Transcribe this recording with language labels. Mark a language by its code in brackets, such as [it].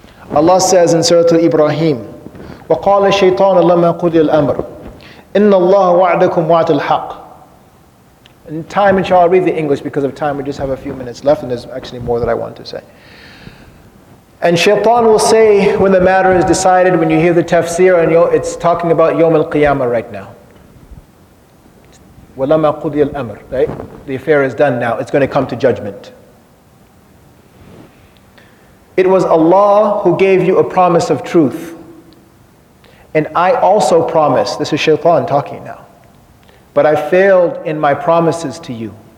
[en] Allah says in Surah Al-Ibrahim, [ar] وَقَالَ الشَّيْطَانَ لَمَّا قُدِيَ الْأَمْرُ إِنَّ اللَّهَ وَعْدَكُمْ وَعْدَ الْحَقِّ. [en] In time, inshallah, I'll read the English because of time. We just have a few minutes left and there's actually more that I want to say. And Shaitan will say when the matter is decided, when you hear the tafsir, and it's talking about Yawm al-Qiyamah right now. [ar] وَلَمَّا قُضِيَ الْأَمْرِ, [en] right? The affair is done now, it's going to come to judgment. It was Allah who gave you a promise of truth. And I also promise, this is Shaitan talking now, but I failed in my promises to you.